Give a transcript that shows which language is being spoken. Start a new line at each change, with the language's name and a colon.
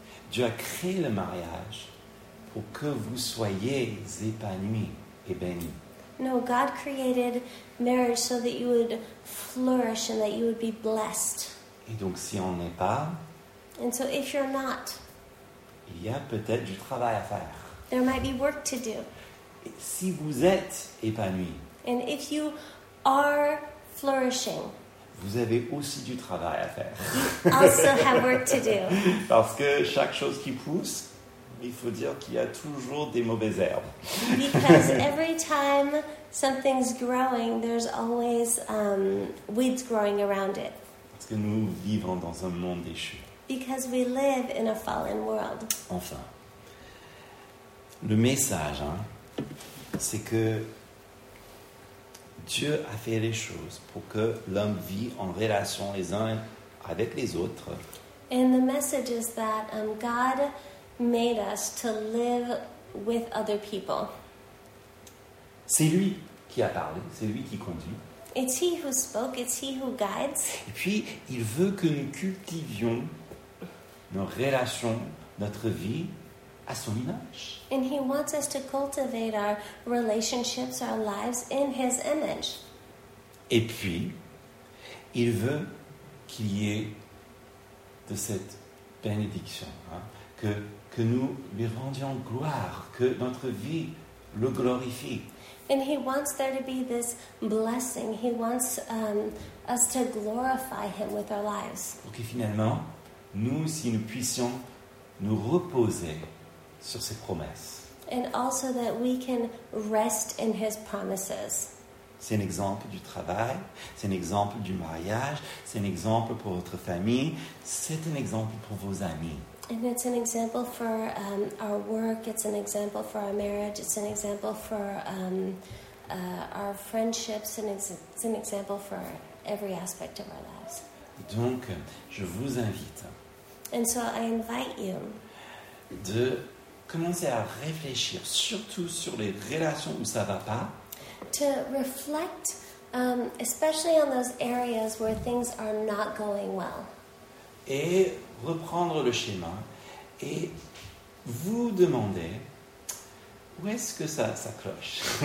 French: Dieu a créé le mariage pour que vous soyez épanouis et bénis.
English: No, God created marriage so that you would flourish and that you would be blessed.
French: Et donc, si on n'est pas,
English: and so if you're not,
French: il y a peut-être du travail à faire.
English: There might be work to do.
French: Et si vous êtes épanoui,
English: and if you are flourishing,
French: vous avez aussi du travail à faire.
English: You also have work to do.
French: Parce que chaque chose qui pousse, il faut dire qu'il y a toujours des mauvaises herbes.
English: Because every time something's growing, there's always weeds growing around it.
French: Parce que nous vivons dans un monde déchu.
English: Because we live in a fallen world.
French: Enfin, le message, hein, c'est que Dieu a fait les choses pour que l'homme vit en relation les uns avec les autres.
English: And the message is that God made us to live with other people.
French: C'est lui qui a parlé, c'est lui qui conduit.
English: It's he who spoke, it's he who guides.
French: Et puis, il veut que nous cultivions nos relations, notre vie à son image.
English: And he wants us to cultivate our relationships, our lives in his image.
French: Et puis, il veut qu'il y ait de cette bénédiction, hein, que nous lui rendions gloire, que notre vie le glorifie.
English: And he wants there to be this blessing. He wants us to glorify him with our lives.
French: Pour que finalement, nous aussi, nous puissions nous reposer sur ses promesses.
English: And also that we can rest in his promises.
French: C'est un exemple du travail, c'est un exemple du mariage, c'est un exemple pour votre famille, c'est un exemple pour vos amis.
English: And it's an example for our work, it's an example for our marriage, it's an example for our friendships, and it's an example for every aspect of our lives.
French: Donc, je vous invite.
English: And so I invite you.
French: De commencer à réfléchir, surtout sur les relations où ça va pas.
English: To reflect, especially on those areas where things are not going well.
French: Et reprendre le schéma et vous demander où est-ce que ça cloche.